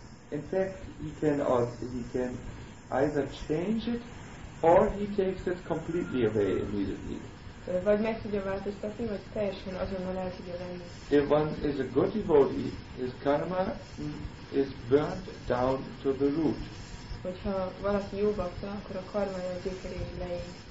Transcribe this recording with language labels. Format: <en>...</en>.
<en>In fact, he can either change it, or he takes it completely away immediately.</en> <hu>Vagy meg tudja változtatni, vagy teljesen azonnal el tudja venni.</hu> <en>If one is a good devotee, his karma is burnt down to the root.</en> <hu>Hogyha valaki jó bakta, akkor a karmája a gyökerén leég.</hu>